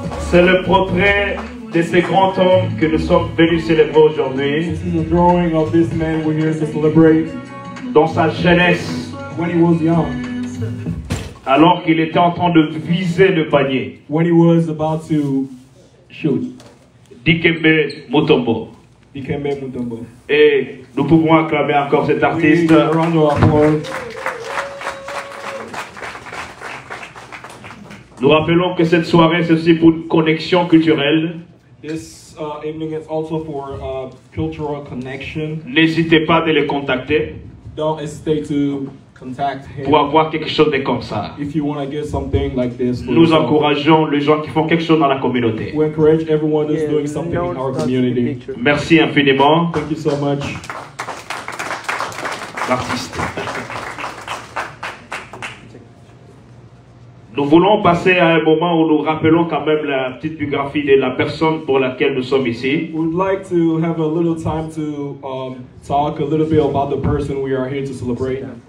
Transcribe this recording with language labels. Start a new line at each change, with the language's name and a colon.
French: C'est le portrait de ce grand homme que nous sommes venus célébrer aujourd'hui.
English: This is a drawing of this man we're here to celebrate.
French: Dans sa jeunesse.
English: When he was young.
French: Alors qu'il était en train de viser le panier.
English: When he was about to shoot.
French: Dikembe Mutombo.
English: Dikembe Mutombo.
French: Et nous pouvons acclamer encore cet artiste.
English: A round of applause.
French: Nous rappelons que cette soirée, c'est aussi pour une connexion culturelle.
English: This evening is also for a cultural connection.
French: N'hésitez pas de le contacter.
English: Don't hesitate to contact him.
French: Pour avoir quelque chose de comme ça.
English: If you want to get something like this.
French: Nous encourageons les gens qui font quelque chose dans la communauté.
English: We encourage everyone who's doing something in our community.
French: Merci infiniment.
English: Thank you so much.
French: L'artiste. Nous voulons passer à un moment où nous rappelons quand même la petite biographie de la personne pour laquelle nous sommes ici.
English: We'd like to have a little time to talk a little bit about the person we are here to celebrate.